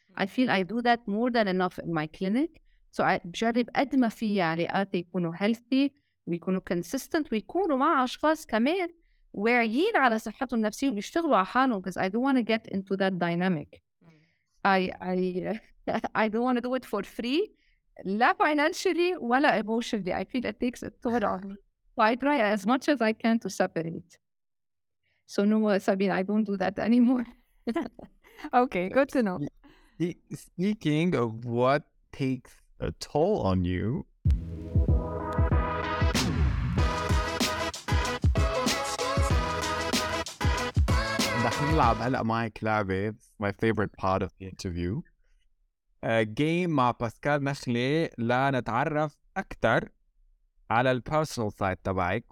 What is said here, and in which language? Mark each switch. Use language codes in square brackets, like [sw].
[en] I feel I do that more than enough in my clinic. [ar] So I بجرب قد ما في علاقاتي يكونوا healthy ويكونوا consistent ويكونوا مع أشخاص كمان واعيين على صحتهم النفسية وبيشتغلوا على حالهم, [en] because I don't want to get into that dynamic. I don't want to do it for free, لا financially ولا emotionally. I feel it takes a toll on me. So I try as much as I can to separate. So no, Sabine, I don't do that anymore. Okay, good to know. Speaking of what takes a toll on you, [ar] نلعب هلأ معك لعبة, [en] my favorite part of the interview, game [ar] مع باسكال نخلة لنتعرف أكثر على البيرسونال سايد تبعك.